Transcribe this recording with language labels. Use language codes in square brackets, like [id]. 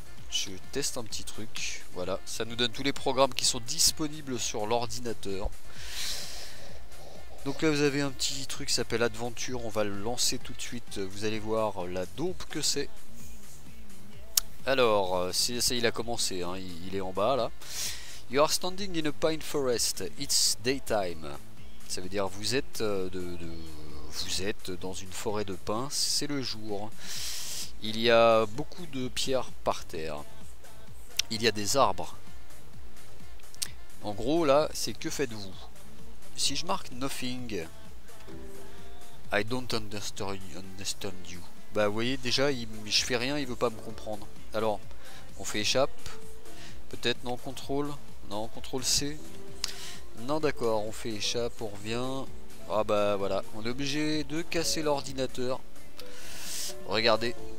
[fr] Je teste un petit truc. Voilà, ça nous donne tous les programmes qui sont disponibles sur l'ordinateur. Donc là, vous avez un petit truc qui s'appelle Adventure. On va le lancer tout de suite. Vous allez voir la dope que c'est. Alors, ça, il a commencé. Hein. Il est en bas là. [en] You are standing in a pine forest. It's daytime. [fr] Ça veut dire vous êtes vous êtes dans une forêt de pins. C'est le jour. Il y a beaucoup de pierres par terre. Il y a des arbres. En gros, là, c'est que faites-vous? Si je marque [en] nothing, I don't understand you. [fr] Bah, vous voyez, déjà, je fais rien, il veut pas me comprendre. Alors, on fait échappe. Peut-être, non, contrôle. Non, contrôle C. Non, d'accord, on fait échappe, on revient. Ah, bah, voilà. On est obligé de casser l'ordinateur. Regardez.